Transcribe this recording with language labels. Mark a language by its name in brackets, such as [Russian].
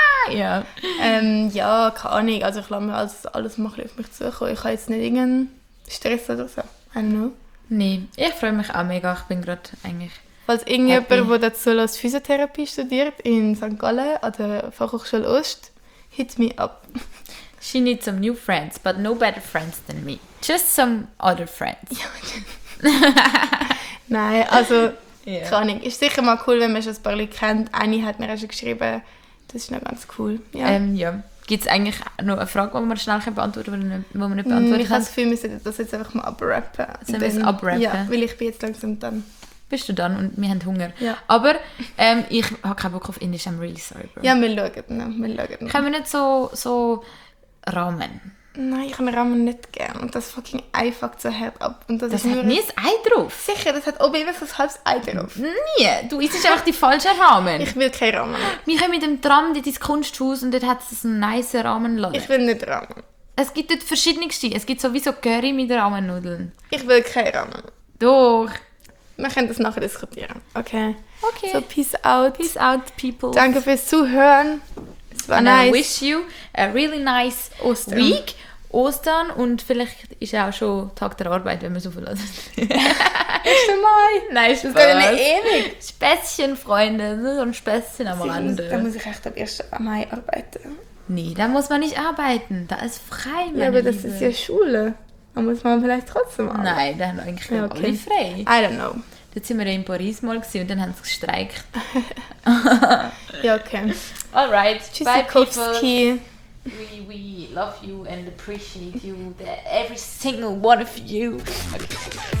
[German] Ja. Ja, keine Ahnung. Also ich lasse mir alles mal auf mich zukommen. Ich habe jetzt nicht irgendeinen Stress oder so. [English] I don't know. [German] Nein, ich freue mich auch mega. Ich bin gerade eigentlich Falls irgendjemand, der dazu lässt, Physiotherapie studiert in St. Gallen an der Fachhochschule Ost, [English] hit me up. She needs some new friends, but no better friends than me. Just some other friends. [German] Nein, also, yeah. Keine Ahnung. Ist sicher mal cool, wenn man schon ein paar Leute kennt. Eine hat mir auch schon geschrieben. Das ist noch ganz cool. Ja. Ja. Gibt es eigentlich noch eine Frage, die wir schnell beantworten können, die wir nicht beantworten können? Ich habe das Gefühl, wir sollten das jetzt einfach mal abrappen. Sollen wir es abrappen? Ja, weil ich bin jetzt langsam dann. Bist du dann und wir haben Hunger. Ja. Aber ich habe keinen Bock auf Indisch, [English] I'm really sorry. [German] Bro. Ja, wir schauen noch. Wir schauen noch. Können wir nicht so Ramen? Nein, ich kann Ramen nicht gerne. Und das fucking Ei fuckt so hart ab. Und das hat nie ein Ei drauf. Sicher, das hat oben immer so ein halbes Ei drauf. Nie! Du isst einfach die falschen Ramen. Ich will kein Ramen. Wir kommen mit dem Tram in dein Kunsthaus und dort hat es einen nice Ramenladen. Ich will nicht Ramen. Es gibt dort verschiedenste. Es gibt sowieso Curry mit Ramennudeln. Ich will kein Ramen. Doch. Wir können das nachher diskutieren. Okay. Okay. [English] So, peace out. Peace out, people. [German] Danke fürs Zuhören. Es war [English] and nice. I wish you a really nice [German] Ostern. [English] Week. Ostern. [German] Und vielleicht ist es auch schon Tag der Arbeit, wenn wir so viel hören. Ist der Mai. Nein, ist das Spaß. Das geht ewig. Späßchen, Freunde. So ein Späßchen am Rande. Da muss ich echt am 1. Mai arbeiten. Nee, da muss man nicht arbeiten. Da ist frei, meine Ja, aber Liebe. Das ist ja Schule. Da muss man vielleicht trotzdem arbeiten. Nein, da haben eigentlich ja, okay. alle frei. [English] I don't know. [German] Da sind wir ja in Paris mal gewesen und dann haben sie gestreikt. Ja, okay. [English] Alright. [German] Tschüss, bye, Kowski. [English] We love you and appreciate you, every single one of you. Okay.